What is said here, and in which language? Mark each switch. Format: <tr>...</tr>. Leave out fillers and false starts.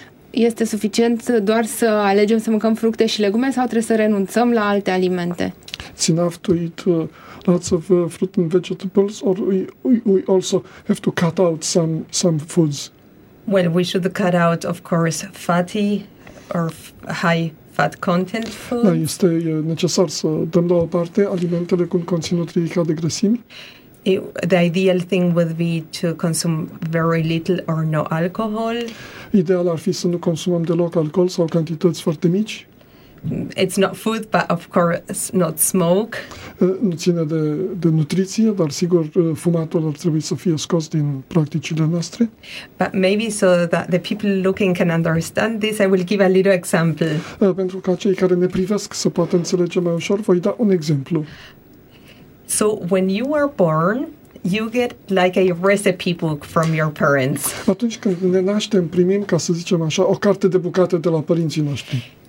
<ro>este suficient doar să alegem să mâncăm fructe și legume sau trebuie să renunțăm la alte alimente?</ro> <en>It's enough to eat lots of fruit and vegetables, or we also have to cut out some foods? Well, we should cut out, of course, fatty or high fat content foods.</en> <ro>Da, este necesar să dăm la o parte alimentele cu un conținut ridicat de grăsimi.</ro> <en>The ideal thing would be to consume very little or no alcohol.</en> <ro>Ideal ar fi să nu consumăm deloc alcohol sau cantități foarte mici.</ro> <en>It's not food, but of course not smoke.</en> <ro>Nu ține de nutriție, dar sigur fumatul ar trebui să fie scos din practicile noastre.</ro> <en>But maybe so that the people looking can understand this, I will give a little example.</en> <ro>Pentru ca cei care ne privesc să poată înțelege mai ușor, voi da un exemplu.</ro> <en>So when you are born, you get like a recipe book from your parents.</en> <ro>Atunci când ne naștem, primim, ca să zicem așa, o carte de bucate de la părinții noștri.</ro>